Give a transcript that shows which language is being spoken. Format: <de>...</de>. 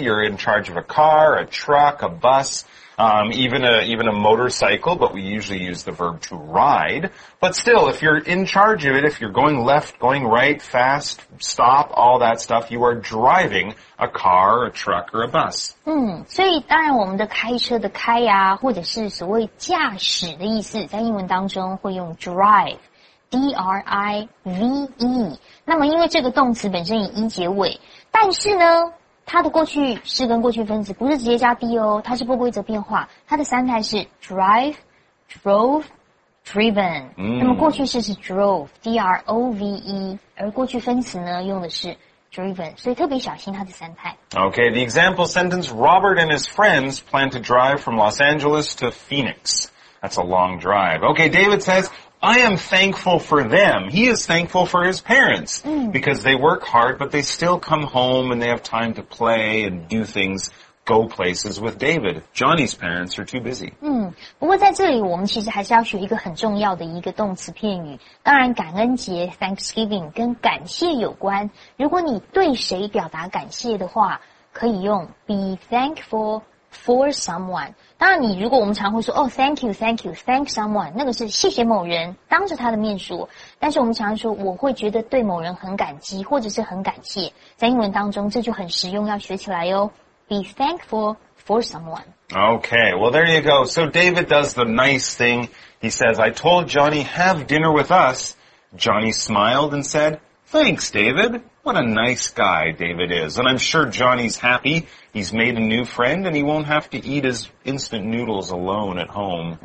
<en>You're in charge of a car, a truck, a bus, even a motorcycle, but we usually use the verb to ride. But still, if you're in charge of it, if you're going left, going right, fast, stop, all that stuff, you are driving a car, a truck, or a bus.</en> <zh>所以当然我们的开车的开啊，或者是所谓驾驶的意思，在英文当中会用 drive, D-R-I-V-E。那么因为这个动词本身以 E 结尾，但是呢它的过去式跟过去分词不是直接加 D 哦，它是不规则变化，它的三态是 drive, drove, driven。那么过去式是 drove, D-R-O-V-E, 而过去分词呢用的是 driven, 所以特别小心它的三态。</zh> <en>Okay, the example sentence, Robert and his friends plan to drive from Los Angeles to Phoenix. That's a long drive. Okay, David says,I am thankful for them. He is thankful for his parents because they work hard, but they still come home and they have time to play and do things, go places with David. Johnny's parents are too busy.</en> <zh>不过在这里我们其实还是要学一个很重要的一个动词片语。当然感恩节 Thanksgiving 跟感谢有关。如果你对谁表达感谢的话可以用</zh> <en>be thankfulfor someone.</en> <zh>当然你如果我们常会说</zh> <en>oh, thank you, thank you, thank someone,</en> <zh>那个是谢谢某人当着他的面说。但是我们常说我会觉得对某人很感激或者是很感谢。在英文当中这就很实用要学起来哦。</zh> <en>Be thankful for someone. Okay, well there you go. So David does the nice thing. He says, I told Johnny, have dinner with us. Johnny smiled and said, thanks, David. What a nice guy David is. And I'm sure Johnny's happy. He's made a new friend and he won't have to eat his instant noodles alone at home.</en>